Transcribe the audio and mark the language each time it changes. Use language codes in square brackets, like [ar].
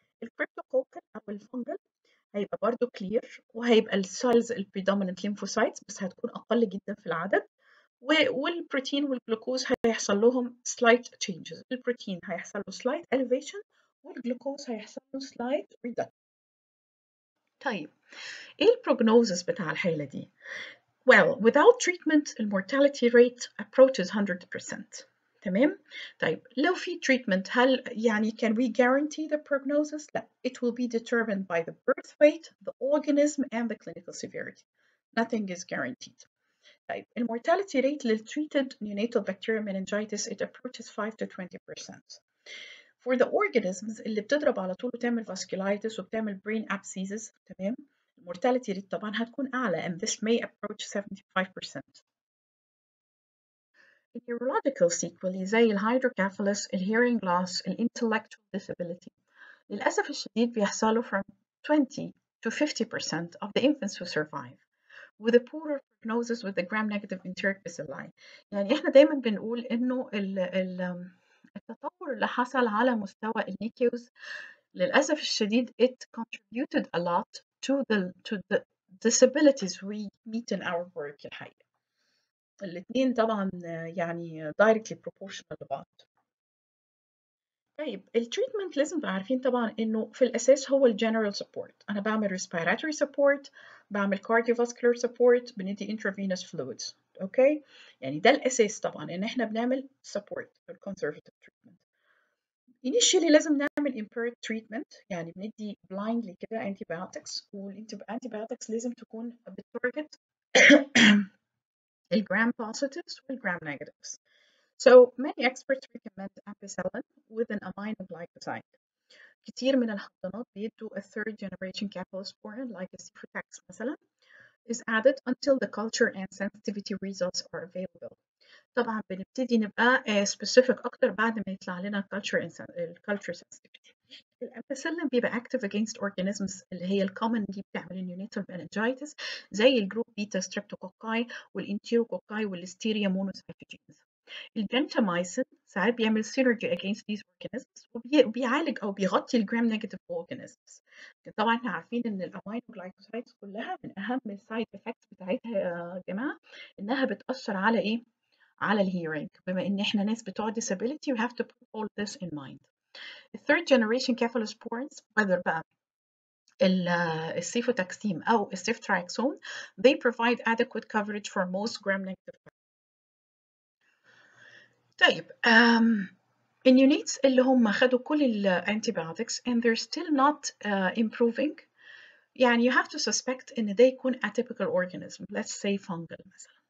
[ar] الكريبتوكوكل او الفنجل هيبقى برضو كلير، وهيبقى السيلز البريدومينانت lymphocytes بس هتكون اقل جدا في العدد، والبروتين والجلوكوز هيحصل لهم سلايت تشينجز. البروتين هيحصل له سلايت elevation والجلوكوز هيحصل له سلايت reduction. طيب ايه البروجنوزس بتاع الحاله دي؟ [en] Well, without treatment, the mortality rate approaches 100%. [ar] تمام؟ طيب، لو في treatment، هل يعني [en] can we guarantee the prognosis? [ar] لا. [en] It will be determined by the birth weight, the organism, and the clinical severity. Nothing is guaranteed. طيب، the mortality rate للtreated neonatal bacterial meningitis, it approaches 5 to 20%. For the organisms [ar] اللي بتضرب على طول وتعمل [en] vasculitis وبتعمل brain abscesses، تمام؟ mortality rate [ar] طبعا هتكون اعلى، [en] and this may approach 75%. Neurological sequelae زي الهيدروكافلس، الhearing loss، الintellectual disability [ar] للاسف الشديد بيحصلوا [en] from 20 to 50% of the infants who survive with a poorer prognosis with the gram negative enteric bacilli. [ar] يعني احنا دايما بنقول انه التطور اللي حصل على مستوى النيكيوز للاسف الشديد [en] it contributed a lot to the disabilities we meet in our work in high. [ar] الاثنين طبعا يعني directly proportional لبعض. طيب التريتمنت لازم عارفين طبعا انه في الاساس هو الجنرال سبورت، انا بعمل respiratory support، بعمل cardiovascular support، بندي intravenous fluids. اوكي، يعني ده الاساس طبعا ان احنا بنعمل support conservative treatment. Initially لازم نعمل empiric treatment، يعني بندي blindly كده antibiotics، والantibiotics لازم تكون بتارجت الgram positives والgram negatives. [en] So many experts recommend ampicillin with an amino glycoside. [ar] كتير من الحضانات بيدوا [en] a third generation cephalosporin like a ciprofloxacin مثلا is added until the culture and sensitivity results are available. [ar] طبعا بنبتدي نبقى specific اكتر بعد ما يطلع لنا culture sensitivity. الامبيسيلين بيبقى active against organisms اللي هي الكومن اللي بتعمل neonatal meningitis زي الجروب بيتا ستريبتوكوكاي والانتيروكوكاي والليستيريا مونوسايتوجينز. الجنتامايسين ساعات بيعمل synergy against these organisms وبيعالج او بيغطي الجرام نيجاتيف organisms. طبعا احنا عارفين ان الامينو جلايكوسايتس كلها من اهم السايد افكتس بتاعتها يا جماعه انها بتاثر على ايه؟ على الهيرينج، بما ان احنا ناس بتوع disability [en] we have to put all this in mind. The third generation cephalosporins whether بقى السيفوتاكسيم او السيفتراكسون they provide adequate coverage for most gram negative. [ar] طيب النيونيتس اللي هم خدوا كل الانتيبيوتكس [en] and they're still not improving، يعني you have to suspect [ar] ان ده يكون [en] atypical organism let's say fungal مثلا.